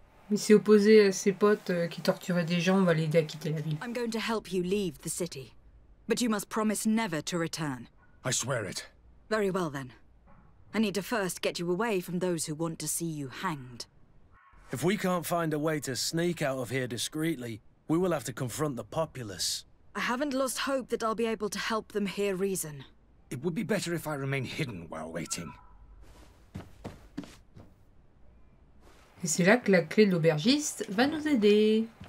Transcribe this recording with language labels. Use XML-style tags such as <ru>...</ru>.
<fr>Il s'est opposé à ses potes qui torturaient des gens, on va l'aider à quitter la ville.</fr> <en>I'm going to help you leave the city. But you must promise never to return. I swear it. Very well, then. I need to first get you away from those who want to see you hanged. If we can't find a way to sneak out of here discreetly, we will have to confront the populace. I haven't lost hope that I'll be able to help them hear reason. It would be better if I remain hidden while waiting.</en> <fr>Et c'est là que la clé de l'aubergiste va nous aider.</fr>